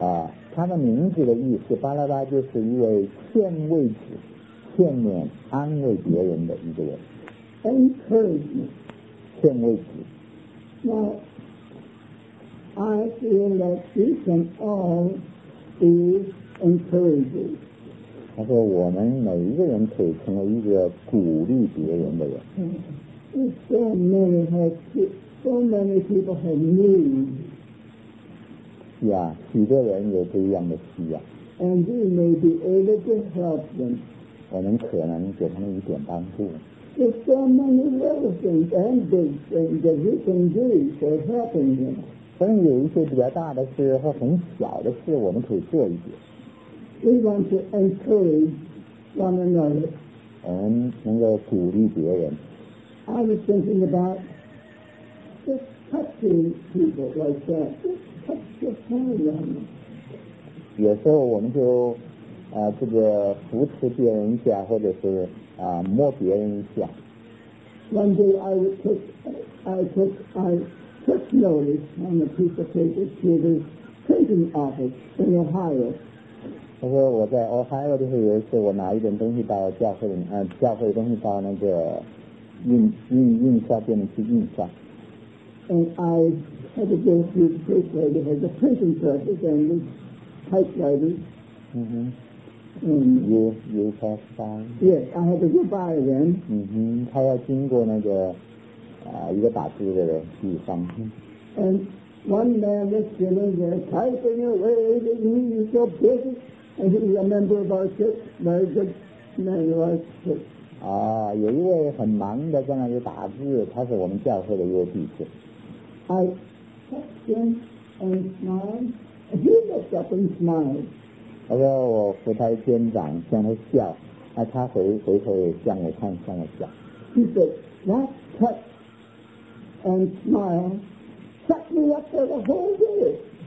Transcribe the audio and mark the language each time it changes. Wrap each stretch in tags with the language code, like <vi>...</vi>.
<zh>啊，他的名字的意思，巴拉巴就是一位劝慰者、劝勉、安慰别人的一个人。</zh> <en>Encouragement.</en> <zh>劝慰者。</zh> <en>Now, I feel that we can all be encouraged.</en> <zh>他说我们每一个人可以成为一个鼓励别人的人。</zh> <en>So many people have needs.</en> <zh>Yeah, 许多人有这样的需要。</zh> <en>And we may be able to help them.</en> <zh>我们可能给他们一点帮助。</zh> <en>There's so many little things and big things that we can do for helping them.</en> <zh>但有一些比较大的事和很小的事我们可以做一点。</zh> <en>We want to encourage one another.</en> <zh>我们能够鼓励别人。</zh> <en>I was thinking about just touching people like that. Just touch your hand on them.</en> <zh>有时候我们就这个扶持别人一下，或者是摸别人一下。</zh> <en>One day I took notice on the piece of paper to the printing office in Ohio.</en> <zh>他说我在 Ohio 的时候，有一次我拿一点东西到教会里，教会的东西到那个印刷店去印刷。</zh> <en>And I had to go through the paper. They had the printing presses and the typewriters. You passed by? Yes, I had to go by them.</en> <zh>他要经过那个一个打字的地方。</zh> <en>And one man was sitting there typing away, and he was so busy, and he was a member of our church, very good man of our church.</en> <zh>有一位很忙的在那里打字，他是我们教会的一位弟兄。</zh> <en>I touched him and smiled. He looked up and smiled.</en> <zh>他说我扶他肩膀向他笑，那他回头向我看，向我笑。</zh> <en>He said, "That touch and smile set me up for the whole day."</en>